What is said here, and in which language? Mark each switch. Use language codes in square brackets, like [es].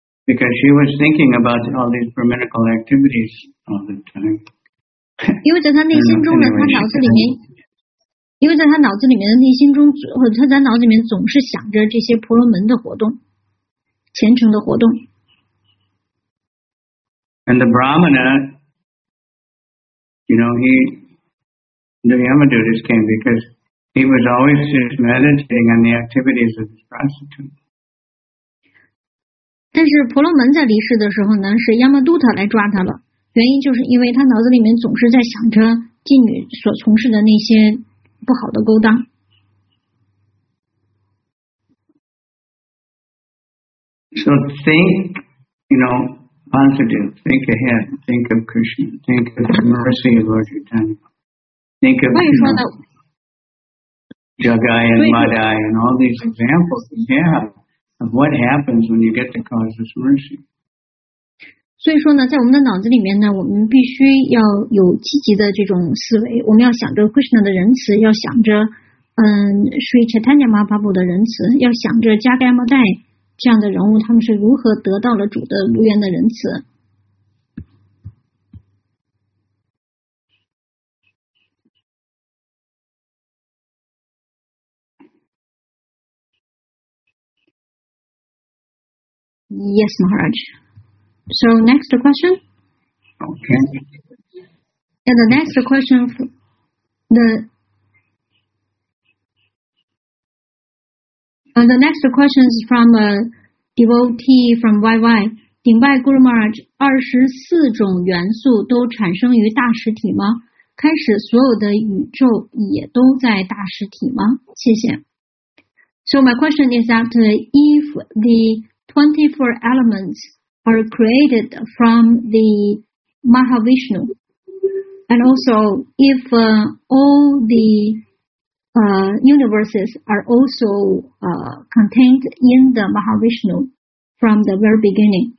[en] Because she was thinking about all these brahminical activities all the time. [zh] 因为在他内心中呢，他脑子里面，因为在他脑子里面的内心中，或者他在脑子里面总是想着这些婆罗门的活动，虔诚的活动。 [en] And the brahmana, you know, the Yamadutas came because he was always just meditating on the activities of his prostitute. [zh] 但是婆罗门在离世的时候呢，是亚玛杜塔来抓他了。原因就是因为他脑子里面总是在想着妓女所从事的那些不好的勾当。 [en] So think, you know, positive. Think ahead. Think of Krishna. Think of the mercy of Lord Chaitanya. Think of Jagai and Madai and all these examples we have of what happens when you get to causeless mercy. [zh] 所以说呢，在我们的脑子里面呢，我们必须要有积极的这种思维。我们要想着 Krishna 的仁慈，要想着Sri Chaitanya Mahaprabhu 的仁慈，要想着 Jagai Madai。这样的人物他们是如何得到了主的如愿的仁慈。 [en] Yes, Maharaj. So next question? Okay. And the next question, the next question is from a devotee from YY. [zh] 顶拜 Guru Maharaj, 24种元素都产生于大实体吗？开始所有的宇宙也都在大实体吗？谢谢。 [en] So my question is that if the 24 elements are created from the Mahavishnu, and also if all theUniverses are also contained in the Mahavishnu from the very beginning.